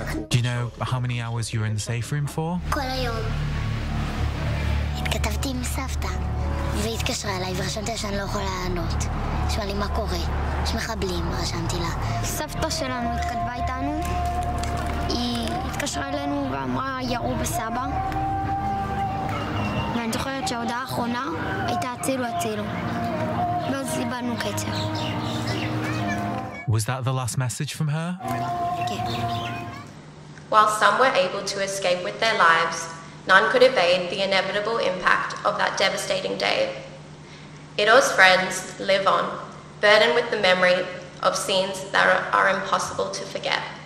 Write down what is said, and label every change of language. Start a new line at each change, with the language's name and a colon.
English: Do you know how many hours you were in the safe room for?
Hebrew: התכתבתי עם סבתא, והיא התקשרה אליי ורשמתי שאני לא יכולה לענות. שואל לי מה קורה, יש מחבלים, רשמתי לה. סבתא שלנו התכתבה איתנו, היא התקשרה אלינו ואמרה ירו בסבא. ואני זוכרת שההודעה האחרונה הייתה הצילו הצילו. ואז איבדנו קצר.
English: Was that the last message from her? Yeah. While some were able to escape with their lives, none could evade the inevitable impact of that devastating day. Ido's friends live on, burdened with the memory of scenes that are impossible to forget.